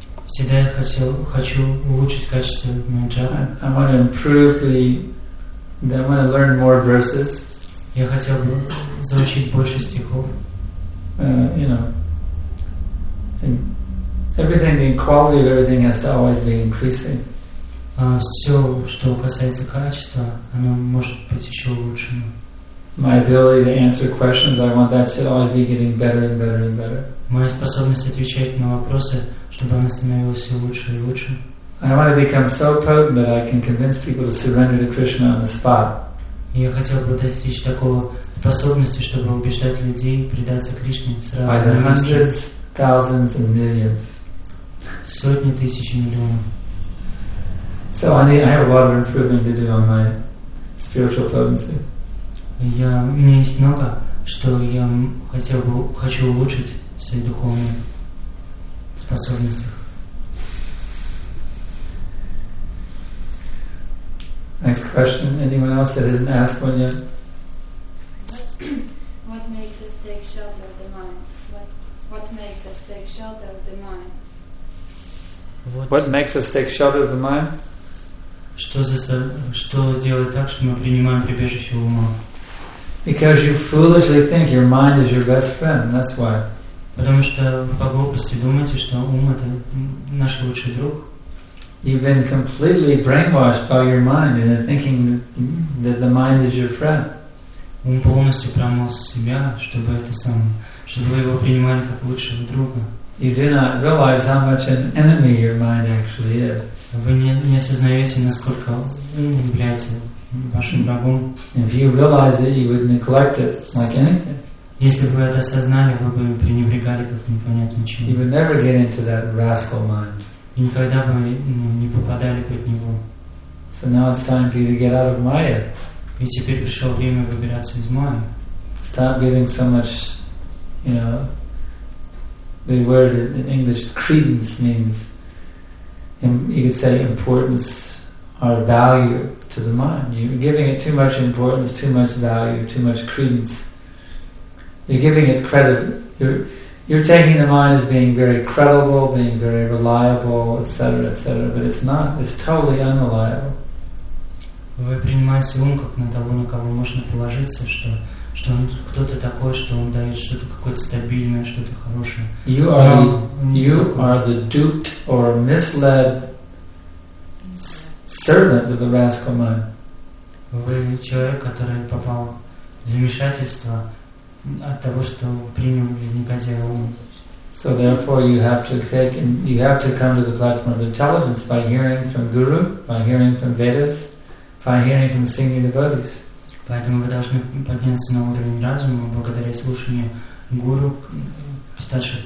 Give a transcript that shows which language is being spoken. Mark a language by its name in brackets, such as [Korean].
[Russian] Всегда я хочу улучшить качество моего джапа. [English] I want to learn more verses. [Russian] Я хотел бы заучить больше стихов. [English] Everything, the quality of everything has to always be increasing. [Russian] Все, что касается качества, оно может быть еще улучшено. [English] my ability to answer questions, I want that to always be getting better and better and better. [Russian] Моя способность отвечать на вопросы, чтобы она становилась все лучше и лучше. [English] I want to become so potent that I can convince people to surrender to Krishna on the spot. [Russian] Я хотел бы достичь такого способности, чтобы убеждать людей предаться Кришне сразу. [English] By the hundreds, thousands, and millions. [Russian] Сотни тысяч и миллионов. [English] So I have a lot of improvement to do on my spiritual potency. [Russian] Я, у меня есть много, что я хотел бы, хочу улучшить в своих духовных способностях. [English] Next question. Anyone else that hasn't asked one yet? What makes us take shelter of the mind? What makes us take shelter of the mind? What makes us take shelter of the mind? [Russian] Что делает так, что мы принимаем прибежище у ума? [English] Because you foolishly think your mind is your best friend. That's why. [Russian] Потому что по глупости думаете, что ум это наш лучший друг. [English] You've been completely brainwashed by your mind into thinking that the mind is your friend. [Russian] Ум полностью промыл себя, чтобы это сам, чтобы вы его принимали как лучшего друга. [English] You do not realize how much an enemy your mind actually is. [Russian] Вы не осознаете, насколько ум является вашим врагом. [English] If you realize it, you would neglect it like anything. [Russian] Если бы вы это осознали, вы бы пренебрегали как непонятно чем. [English] You would never get into that rascal mind. [Russian] И никогда бы не попадали под него. [English] So now it's time for you to get out of Maya. [Russian] И теперь пришло время выбираться из Майи. [English] Stop giving so much, you know, the word in English, credence means, you could say importance or value to the mind. You're giving it too much importance, too much value, too much credence. You're giving it credit. You're taking the mind as being very credible, being very reliable, etc., etc., but it's not. It's totally unreliable. [Russian] Вы принимаете ум как на того, на кого можно положиться, что он кто-то такой, что он дает что-то какое-то стабильное, что-то хорошее. [English] You are the duped or misled servant of the rascal mind. [Russian] Вы человек, который попал в замешательство от того, что принял негодяя ум. [English] So therefore you have to take and you have to come to the platform of intelligence by hearing from Guru, by hearing from Vedas, by hearing from singing devotees. [Russian] Поэтому вы должны подняться на уровень разума благодаря слушанию гуру старших